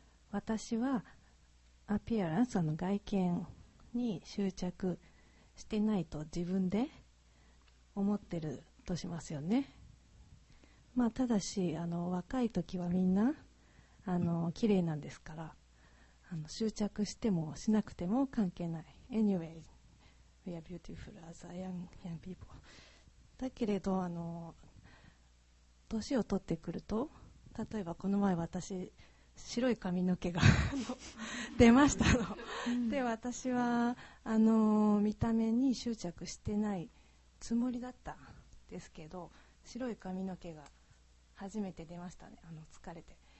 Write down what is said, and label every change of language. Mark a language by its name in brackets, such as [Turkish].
[Japanese] 私はアピアランスの外見に執着してないと自分で思ってるとしますよね。まあ、ただし若い時はみんな綺麗なんですから、執着してもしなくても関係ない。 [English] Anyway, we are beautiful as a young people. [Japanese] だけれど年を取ってくると、例えばこの前私白い髪の毛が出ましたの、うん、で私は見た目に執着してないつもりだったんですけど、白い髪の毛が初めて出ましたね、疲れて。